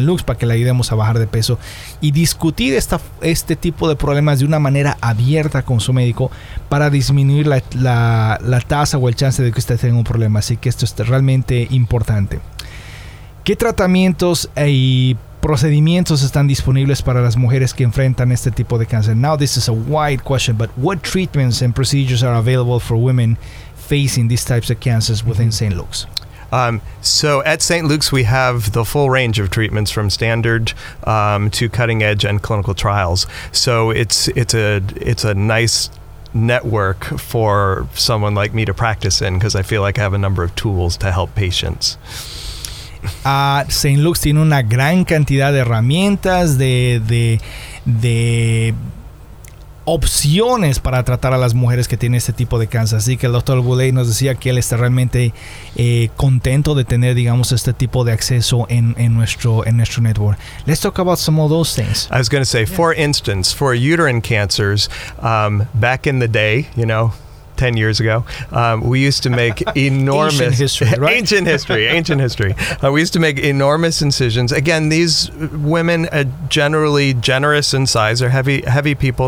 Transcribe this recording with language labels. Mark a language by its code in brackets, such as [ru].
[es] Luke's para que le ayudemos a bajar de peso y discutir este tipo de problemas de una manera abierta con su médico para disminuir la tasa o el chance de que usted tenga un problema. Así que esto es realmente importante. ¿Qué tratamientos hay? Procedimientos están disponibles para las mujeres que enfrentan este tipo de cáncer. [en] Now, this is a wide question, but what treatments and procedures are available for women facing these types of cancers within St. Luke's? So at St. Luke's, we have the full range of treatments from standard to cutting edge and clinical trials. So it's a nice network for someone like me to practice in because I feel like I have a number of tools to help patients. [es] St. Luke's tiene una gran cantidad de herramientas, de opciones para tratar a las mujeres que tienen este tipo de cáncer. Así que el Dr. Boulay nos decía que él está realmente contento de tener, digamos, este tipo de acceso en nuestro network. [en] Let's talk about some of those things. I was going to say, for instance, for uterine cancers, back in the day, you know, 10 years ago, we used to make enormous... Ancient history. We used to make enormous incisions. Again, these women are generally generous in size. They're heavy people.